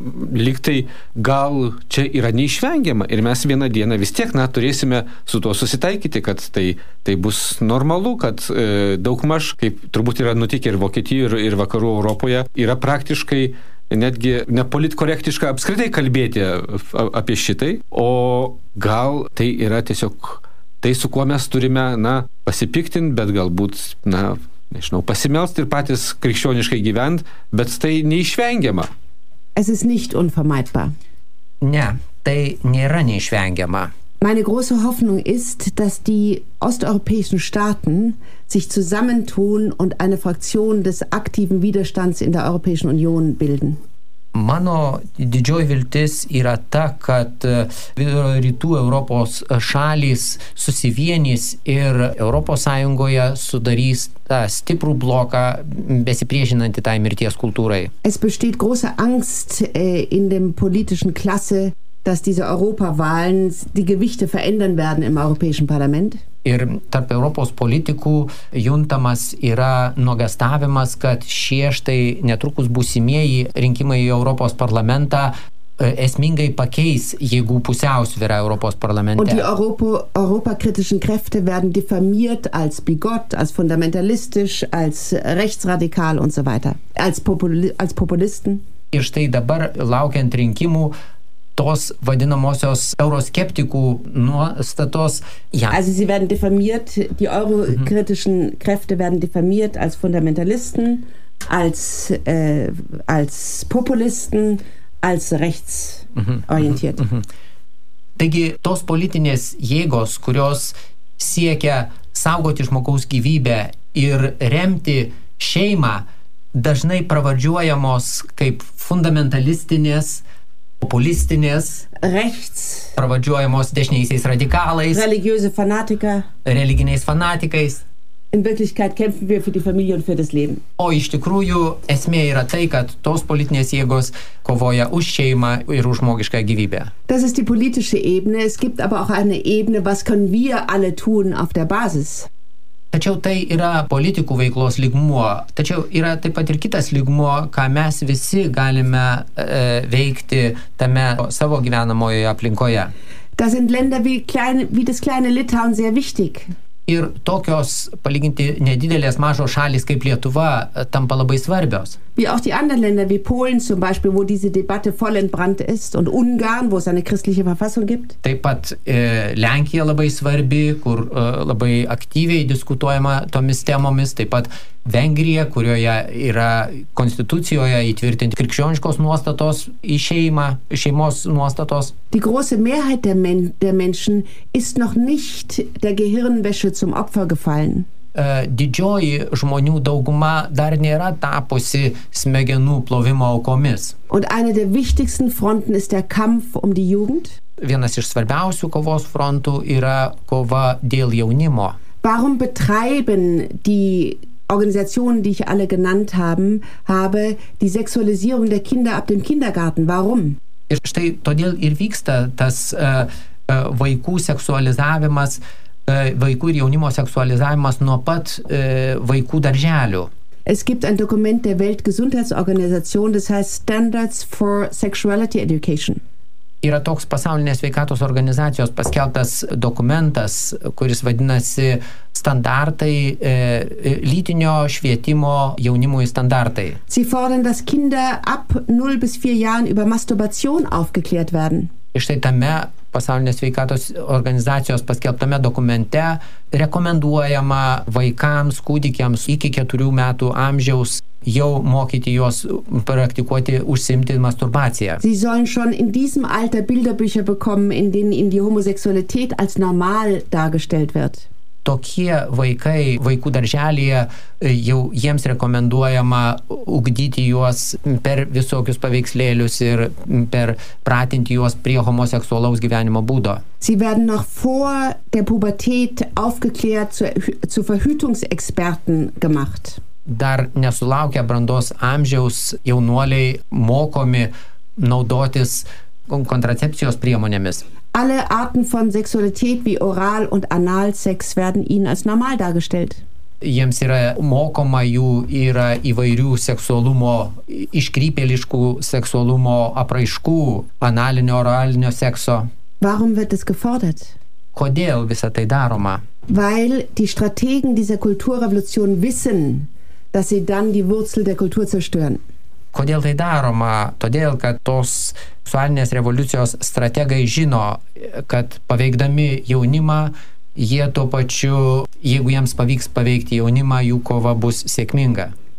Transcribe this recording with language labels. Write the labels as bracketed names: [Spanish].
[Lithuanian] lygtai gal čia yra neišvengiama ir mes vieną dieną vis tiek, na, turėsime su tuo susitaikyti, kad tai bus normalu, kad daugmaž, kaip turbūt yra nutikę ir Vokietijoje, ir Vakarų Europoje, yra praktiškai netgi nepolitkorektiška apskritai kalbėti apie šitai, o gal tai yra tiesiog tai, su kuo mes turime, na, pasipiktinti, bet galbūt, na, nežinau, pasimelsti ir patys krikščioniškai gyvent, bet tai neišvengiama. [German] Es ist nicht unvermeidbar. [Lithuanian] Ne, tai nėra neišvengiama. [German] Meine große Hoffnung ist, dass die osteuropäischen Staaten sich zusammentun und eine Fraktion des aktiven Widerstands in der Europäischen Union bilden. [Lithuanian] Mano didžioji viltis yra ta, kad vidurio rytų Europos šalys susivienys ir Europos Sąjungoje sudarys tą stiprų bloką besipriešinantį tai mirties kultūrai. [German] Es besteht große Angst in dem politischen Klasse, dass diese Europawahlen die Gewichte verändern werden im Europäischen Parlament. [Lithuanian] Ir tarp Europos politikų juntamas yra nuogastavimas, kad šie štai netrukus būsimieji rinkimai į Europos parlamentą esmingai pakeis jėgų pusiausvyrą Europos parlamente. [German] Und die europakritischen Kräfte werden diffamiert als bigott, als fundamentalistisch, als rechtsradikal und so weiter, als populisten. [Lithuanian] Ir štai dabar laukiant rinkimų tos vadinamosios euroskeptikų nuostatos. [German] Ja. Also sie werden diffamiert, die eurokritischen Kräfte werden diffamiert als Fundamentalisten, als Populisten, als rechtsorientiert. [Lithuanian] Taigi, tos politinės jėgos, kurios siekia saugoti žmogaus gyvybę ir remti šeimą, dažnai pravardžiuojamos kaip fundamentalistinės, populistinės, [German] rechts, [Lithuanian] pravadžiuojamos dešiniaisiais radikalais, [German] religiöse Fanatiker, [Lithuanian] religiniais fanatikais. [German] In Wirklichkeit kämpfen wir für die Familie und für das Leben. [Lithuanian] O iš tikrųjų esmė yra tai, kad tos politinės jėgos kovoja už šeimą ir už žmogišką gyvybę. [German] Das ist die politische Ebene, es gibt aber auch eine Ebene, was können wir alle tun auf der Basis? [Lithuanian] Tačiau tai yra politikų veiklos lygmuo, tačiau yra taip pat ir kitas lygmuo, ką mes visi galime veikti tame savo gyvenamojoje aplinkoje. [German] Das sind Länder wie das kleine Litauen sehr wichtig. [Lithuanian] Ir tokios palyginti nedidelės mažos šalys kaip Lietuva tampa labai svarbios. [German] Wie auch die anderen Länder wie Polen zum Beispiel, wo diese Debatte voll entbrannt ist und Ungarn, wo es eine christliche Verfassung gibt. [Lithuanian] Taip pat Lenkija labai svarbi, kur labai aktyviai diskutuojama tomis temomis, taip pat Vengrija, kurioje yra konstitucijoje įtvirtinti krikščioniškos nuostatos į šeimą, šeimos nuostatos. [German] Die große Mehrheit der Menschen ist noch nicht der Gehirnwäsche zum Opfer gefallen. [Lithuanian] Didžioji žmonių dauguma dar nėra tapusi smegenų plovimo aukomis. [German] Und eine der wichtigsten Fronten ist der Kampf um die Jugend. [Lithuanian] Vienas iš svarbiausių kovos frontų yra kova dėl jaunimo. [German] Warum betreiben die Organisationen, die ich alle genannt habe, die Sexualisierung der Kinder ab dem Kindergarten? Warum? [Lithuanian] Ir štai todėl ir vyksta tas vaikų seksualizavimas, vaikų ir jaunimo seksualizavimas nuo pat vaikų darželių. [German] Es gibt ein Dokument der Weltgesundheitsorganisation, das heißt Standards for Sexuality Education. [Lithuanian] Yra toks pasaulinės sveikatos organizacijos paskeltas dokumentas, kuris vadinasi standartai, lytinio švietimo jaunimui standartai. [German] Sie fordern, dass Kinder ab 0 bis 4 Jahren über Masturbation aufgeklärt werden. [Lithuanian] Štai tame pasaulinės sveikatos organizacijos paskelbtame dokumente rekomenduojama vaikams, kūdikiams iki 4 metų amžiaus jau mokyti juos praktikuoti, užsiimti masturbaciją. [German] Sie sollen schon in diesem Alter Bilderbücher bekommen, in denen ihnen die Homosexualität als normal dargestellt wird. [Lithuanian] tokie vaikai, vaikų darželyje, jau jiems rekomenduojama ugdyti juos per visokius paveikslėlius ir per pratinti juos prie homoseksualaus gyvenimo būdo. [German] Sie werden noch vor der Pubertät aufgeklärt zu Verhütungsexperten gemacht. [Lithuanian] Dar nesulaukia brandos amžiaus jaunuoliai mokomi naudotis kontracepcijos priemonėmis. [German] Alle Arten von Sexualität wie Oral- und Analsex werden ihnen als normal dargestellt. [Lithuanian] Jiems yra mokoma, jų yra įvairių seksualumo, iškrypėliškų seksualumo apraiškų, analinio, oralinio sekso. [German] Warum wird es gefordert? [Lithuanian] Kodėl visa tai daroma? [German] Weil die Strategen dieser Kulturrevolution wissen, dass sie dann die Wurzel der Kultur zerstören. [Lithuanian] Kodėl tai daroma? Todėl, kad tos seksualinės revoliucijos strategai žino, kad paveikdami jaunimą, jie tuo pačiu, jeigu jiems pavyks paveikti jaunimą, jų kova bus sėkminga.